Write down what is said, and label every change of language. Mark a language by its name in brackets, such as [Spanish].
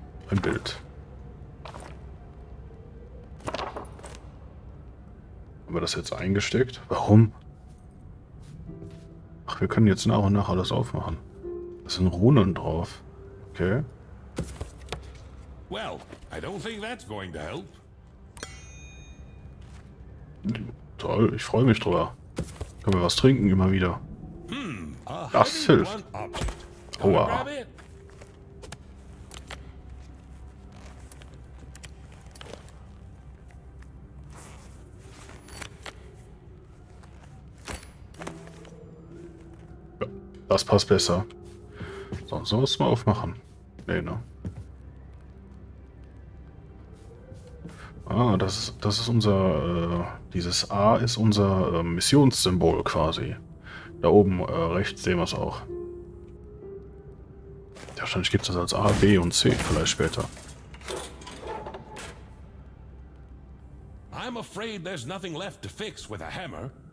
[German] Ein Bild. Haben wir das jetzt eingesteckt? Warum? Ach, wir können jetzt nach und nach alles aufmachen. Da sind Runen drauf. Okay. [English] Well, I don't think that's going to help. [German] Toll, ich freue mich drüber. Können wir was trinken immer wieder. Das hilft. Oha. Ja, das passt besser. Sonst muss man aufmachen. Nee, ne? Ah, das ist unser, dieses A ist unser Missionssymbol quasi. Da oben rechts sehen wir es auch. Ja, wahrscheinlich gibt es das als A, B und C vielleicht später. [English] I'm afraid there's nothing left to fix with a hammer.